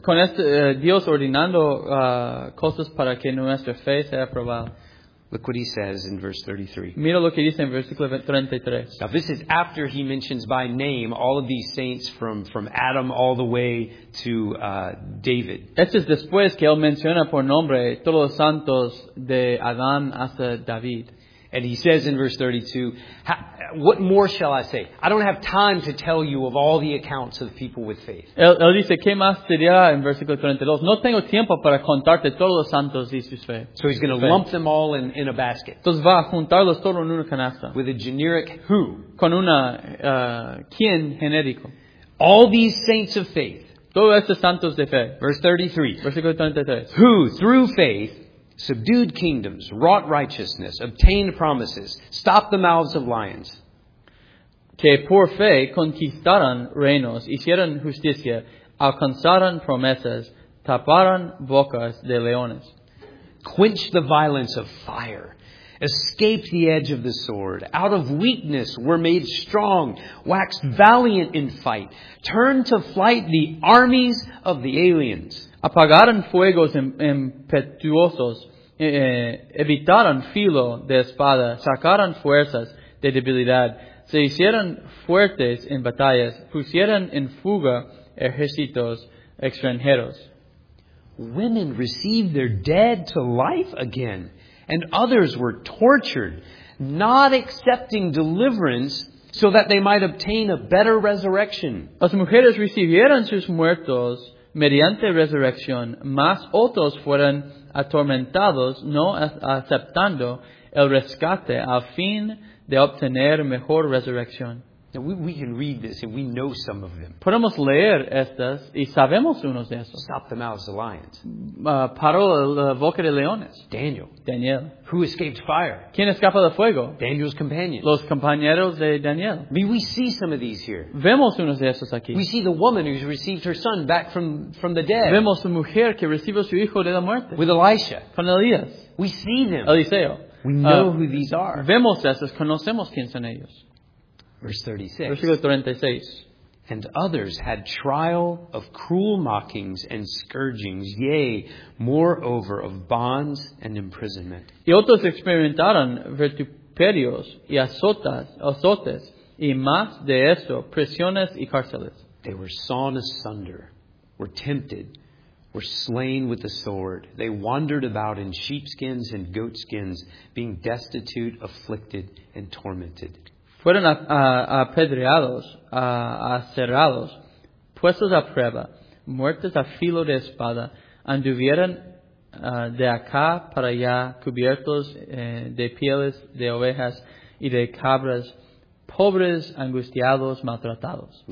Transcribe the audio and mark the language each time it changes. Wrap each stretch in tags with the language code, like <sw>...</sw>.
<es>Con este Dios ordenando cosas para que nuestra fe sea probada.</es> <en>Look what he says in verse 33.</en> <es>Mira lo que dice en versículo 33.</es> <en>Now this is after he mentions by name all of these saints from Adam all the way to David.</en> <es>Esto es después que él menciona por nombre todos los santos de Adán hasta David.</es> <en>And he says in verse 32, what more shall I say? I don't have time to tell you of all the accounts of people with faith.</en> <es>Él dice, ¿qué más sería en versículo 32? No tengo tiempo para contarte todos los santos y sus fe.</es> <en>So he's going to lump them all in a basket.</en> <es>Entonces va a juntarlos todos en una canasta.</es> <en>With a generic who.</en> <es>Con una quién genérico.</es> <en>All these saints of faith.</en> <es>Todos estos santos de fe.</es> <en>Verse 33.</en> <es>Versículo 33.</es> <en>Who, through faith, subdued kingdoms, wrought righteousness, obtained promises, stopped the mouths of lions.</en> <es>Que por fe conquistaron reinos, hicieron justicia, alcanzaron promesas, taparon bocas de leones.</es> <en>Quenched the violence of fire, escaped the edge of the sword, out of weakness were made strong, waxed valiant in fight, turned to flight the armies of the aliens.</en> <es>Apagaron fuegos impetuosos, evitaron filo de espada, sacaron fuerzas de debilidad, se hicieron fuertes en batallas, pusieron en fuga ejércitos extranjeros.</es> <en>Women received their dead to life again, and others were tortured, not accepting deliverance, so that they might obtain a better resurrection.</en> <es>Las mujeres recibieron sus muertos mediante resurrección, más otros fueron atormentados, no aceptando el rescate a fin de obtener mejor resurrección.</es> <en>Now we can read this and we know some of them.</en> <es>Podemos leer estas y sabemos unos de esos.</es> <en>Stop the mouths of lions.</en> <es>Paró la boca de leones.</es> <en>Daniel. Who escaped fire?</en> <es>¿Quién escapa del fuego?</es> <en>Daniel's companions.</en> <es>Los compañeros de Daniel.</es> <en>We see some of these here.</en> <es>Vemos unos de esos aquí.</es> <en>We see the woman who's received her son back from the dead.</en> <es>Vemos la mujer que recibió su hijo de la muerte.</es> <en>With Elisha.</en> <es>Con Elías.</es> <en>We see them.</en> <es>Eliseo.</es> <en>We know who these are.</en> <es>Vemos esos, conocemos quién son ellos.</es> <en>Verse 36. And others had trial of cruel mockings and scourgings, yea, moreover of bonds and imprisonment.</en> <es>Y otros experimentaron vituperios y azotes, y más de eso, prisiones y cárceles.</es> <en>They were sawn asunder, were tempted, were slain with the sword. They wandered about in sheepskins and goatskins, being destitute, afflicted, and tormented.</en> <es>Fueron apedreados, aserrados, puestos a prueba, muertos a filo de espada, anduvieron de acá para allá, cubiertos de pieles de ovejas y de cabras, pobres, angustiados, maltratados.</es>